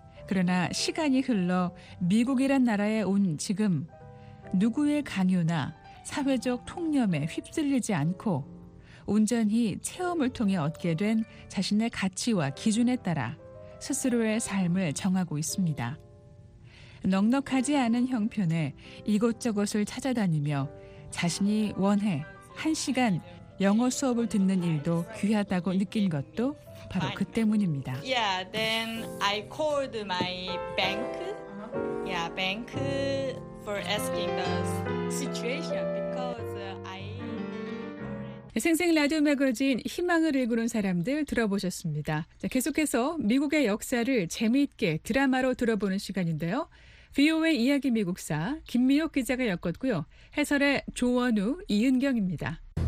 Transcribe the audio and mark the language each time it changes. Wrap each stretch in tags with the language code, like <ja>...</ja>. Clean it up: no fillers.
<ko>그러나 시간이 흘러 미국이란 나라에 온 지금, 누구의 강요나 사회적 통념에 휩쓸리지 않고 온전히 체험을 통해 얻게 된 자신의 가치와 기준에 따라 스스로의 삶을 정하고 있습니다. 넉넉하지 않은 형편에 이곳저곳을 찾아다니며 자신이 원해 한 시간 영어 수업을 듣는 일도 귀하다고 느낀 것도 바로 그 때문입니다.</ko> <en>Yeah, then I called my bank. Yeah, bank for asking the situation because I.</en> <ko>생생 라디오 매거진 희망을 일구는 사람들 들어보셨습니다. 자, 계속해서 미국의 역사를 재미있게 드라마로 들어보는 시간인데요. VOA 이야기 미국사 김미옥 기자가 엮었고요. 해설의 조원우, 이은경입니다.</ko>